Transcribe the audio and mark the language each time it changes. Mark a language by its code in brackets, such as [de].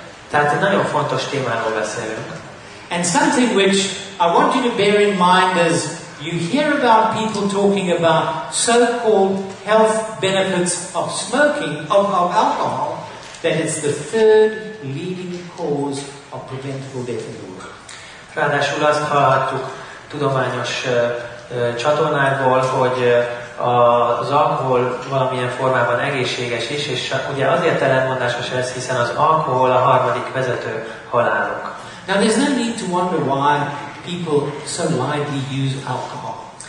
[hu] Tehát egy nagyon fontos témáról beszélünk. [en] And something which I want you to bear in mind is you hear about people talking about so-called health benefits of smoking, of alcohol, that it's the third leading cause of preventable death in the world. [hu] Ráadásul azt hallhattuk tudományos csatornákból, hogy az alkohol valamilyen formában egészséges is, és ugye azért ellentmondásos ez, hiszen az alkohol a harmadik vezető halálok. [en] Now there's no need to wonder why people so lightly use alcohol.